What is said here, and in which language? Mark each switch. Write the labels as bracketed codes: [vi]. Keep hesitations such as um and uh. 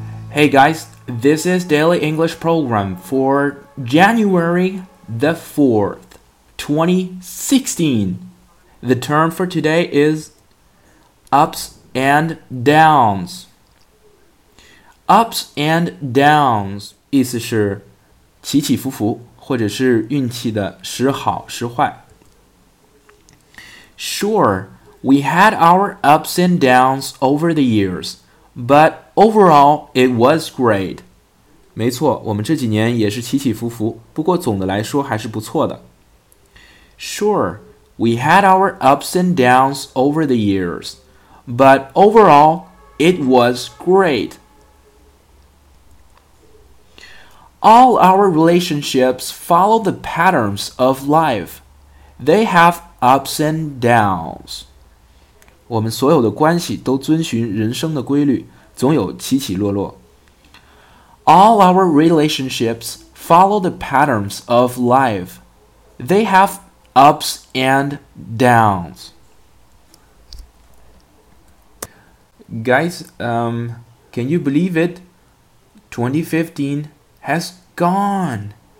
[en] Hey guys, this is Daily English Program for January the 4th, 2016. The term for today is ups and downs. [zh] Ups and downs 意思是起起伏伏，或者是运气的时好时坏。 [en] Sure, we had our ups and downs over the years, but overall it was great. [zh] 没错，我们这几年也是起起伏伏，不过总的来说还是不错的。 [en] Sure, we had our ups and downs over the years, but overall it was great. All our relationships follow the patterns of life. They have ups and downs. [zh] 我们所有的关系都遵循人生的规律，总有起起落落。 [en] All our relationships follow the patterns of life. They have ups and downs. Guys, um, can you believe it? 2015 has gone.